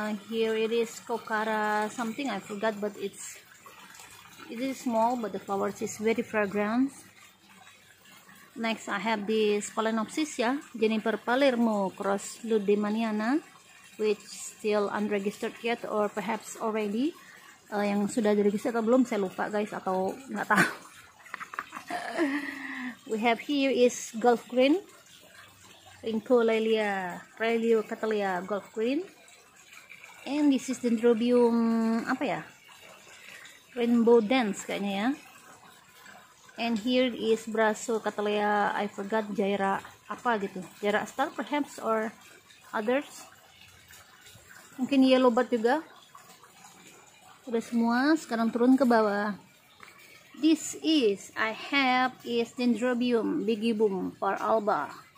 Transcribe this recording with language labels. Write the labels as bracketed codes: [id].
[en] Here it is Coccara something, I forgot, but it is small, but the flowers is very fragrant. Next I have this Phalaenopsis ya, Juniper Palermo cross Ludemaniana, which still unregistered yet or perhaps already. [id] Yang sudah diregister atau belum saya lupa, guys, atau nggak tahu. [en] We have here is Gulf Green, Rinco Lelia, Prelio Cattleya Gulf Green. And this is Dendrobium apa ya, Rainbow Dance kayaknya ya. And here is Brassucatlea, I forgot, Jaira apa gitu, Jaira Star perhaps or others, mungkin Yellow Bud juga. [id] Udah semua, sekarang turun ke bawah. [en] This is I have is Dendrobium Bigibum for alba.